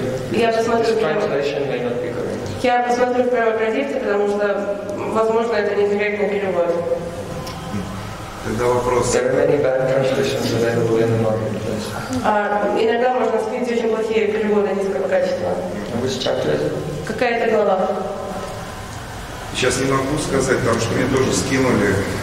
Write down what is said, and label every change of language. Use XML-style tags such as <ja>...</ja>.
<ru>Я посмотрю Рева Прадипа, потому что, возможно, это не корректный перевод. Тогда вопрос.</ru> <en>There are many bad translations available in the marketplace.</en> <ru>Иногда можно скрыть очень плохие переводы низкого качества.</ru> <en>Which chapter is it?</en> <ru>Какая это глава? Сейчас не могу сказать, потому что мне тоже скинули.</ru>